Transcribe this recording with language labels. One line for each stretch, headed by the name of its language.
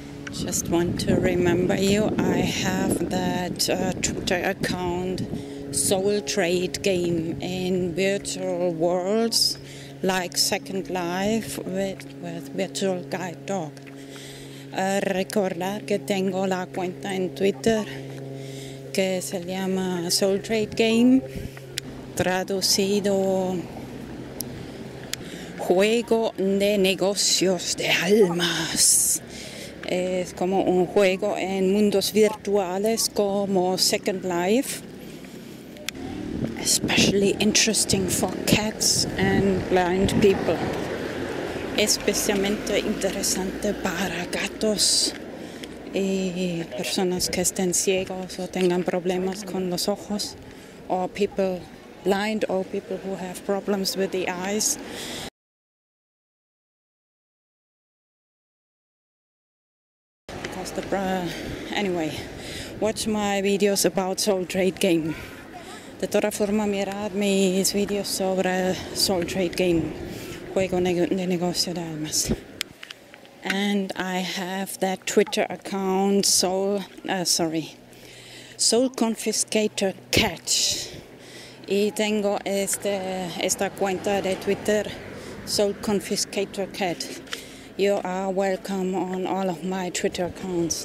English: Just want to remember you, I have that Twitter account Soul Trade Game in virtual worlds like Second Life with Virtual Guide Dog.
Spanish: Recordar que tengo la cuenta en Twitter que se llama Soul Trade Game. Traducido, juego de negocios de almas. Es como un juego en mundos virtuales como Second Life.
English: Especially interesting for cats and blind people.
Spanish: Especialmente interesante para gatos y personas que estén ciegos o tengan problemas con los ojos.
English: Or people blind or people who have problems with the eyes. Anyway, watch my videos about Soul Trade Game.
Spanish: De toda forma, mirar mis videos sobre Soul Trade Game, juego de negocio de almas.
English: And I have that Twitter account, Soul Confiscator Catch.
Spanish: Y tengo esta cuenta de Twitter, Soul Confiscator Cat.
English: You are welcome on all of my Twitter accounts.